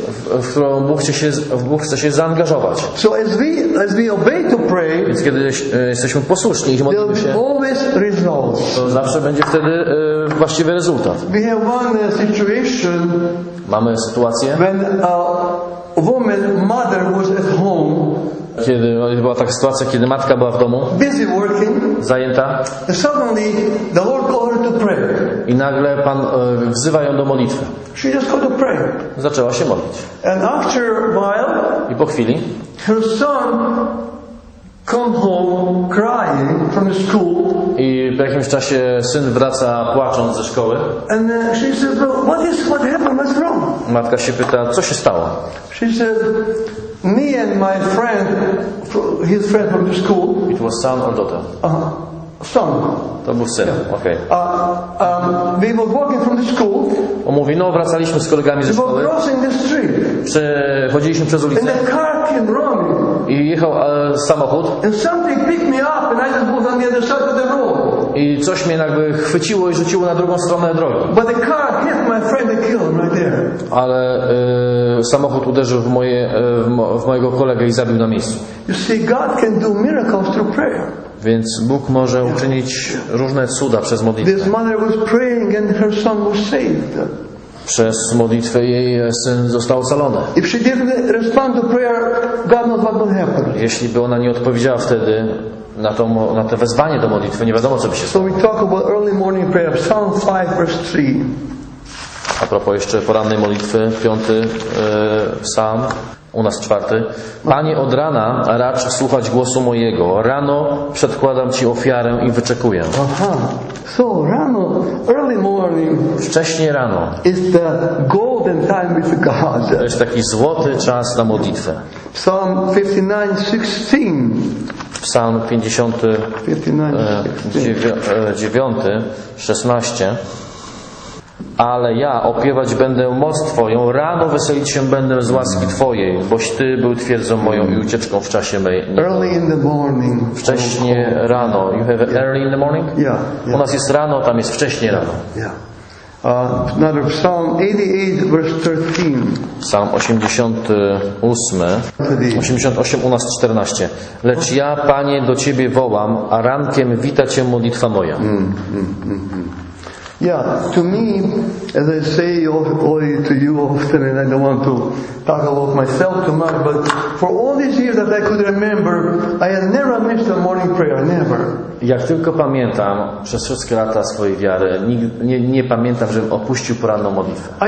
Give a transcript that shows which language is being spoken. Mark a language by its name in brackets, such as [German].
[Polish] W którą Bóg chce się zaangażować. [English] So as we obey to pray, [Polish] więc kiedy jesteśmy posłuszni i modlimy się, [English] always results. [Polish] To zawsze będzie wtedy właściwy rezultat. [English] We have one situation, [Polish] mamy sytuację, [English] when a woman, mother was at home, [Polish] kiedy była taka sytuacja, kiedy matka była w domu, [English] busy working, [Polish] zajęta, [English] and suddenly the Lord called her to pray. [Polish] I nagle Pan wzywa ją do modlitwy. [English] She just got to pray. [Polish] Zaczęła się modlić. [English] And after a while, [Polish] i po chwili [English] her son come home crying from the school. [Polish] I po jakimś czasie syn wraca płacząc ze szkoły. [English] And she says, well, what happened? What's wrong? [Polish] Matka się pyta, co się stało? [English] She said, me and my friend, his friend from the school. It was son or daughter? Son. [Polish] To był syn. Yeah. Okay. [English] We were walking from the school. [Polish] On mówi, no, wracaliśmy z kolegami ze szkoły. [English] We were crossing the street. [Polish] Chodziliśmy przez ulicę. [English] And the car came wrong. [Polish] I jechał samochód. [English] And something picked me up, and I just moved on the other side of the road. [Polish] I coś mnie jakby chwyciło i rzuciło na drugą stronę drogi. [English] But the car hit my friend and killed him right there. [Polish] Ale samochód uderzył w mojego kolegę i zabił na miejscu. [English] You see, God can do miracles through prayer. [Polish] Więc Bóg może uczynić różne cuda przez modlitwę. [English] This mother was praying and her son was saved. [Polish] Przez modlitwę jej syn został ocalony. [English] If she didn't respond to prayer, God knows what would happen. [Polish] Jeśli by ona nie odpowiedziała wtedy na to wezwanie do modlitwy, nie wiadomo, co by się stało. [English] So we talk about early morning prayer, Psalm 5, verse 3. [Polish] A propos jeszcze porannej modlitwy, piąty psalm, u nas czwarty. Panie, od rana racz słuchać głosu mojego. Rano przedkładam Ci ofiarę i wyczekuję. [English] Aha. So, rano, early morning, [Polish] wcześnie rano, [English] is the golden time with God. [Polish] To jest taki złoty czas na modlitwę. [English] Psalm 59:16. [Polish] Psalm 59:16. Ale ja opiewać będę moc Twoją, rano weselić się będę z łaski Twojej, boś Ty był twierdzą moją i ucieczką w czasie mej. [English] Early in the morning. [Polish] Wcześnie rano. [English] You have early in the morning? Yeah. [Polish] U nas jest rano, tam jest wcześnie rano. [English] Yeah. Another Psalm 88, verse 13. [Polish] Psalm 88, u nas 14. Lecz ja, Panie, do Ciebie wołam, a rankiem wita Cię modlitwa moja. [English] Yeah, to me, as I say already to you often, and I don't want to talk about myself too much, but for all these years that I could remember, I had never missed a morning prayer, never. [Polish] Jak tylko pamiętam przez wszystkie lata swojej wiary, nie pamiętam, żebym opuścił poranną modlitwę.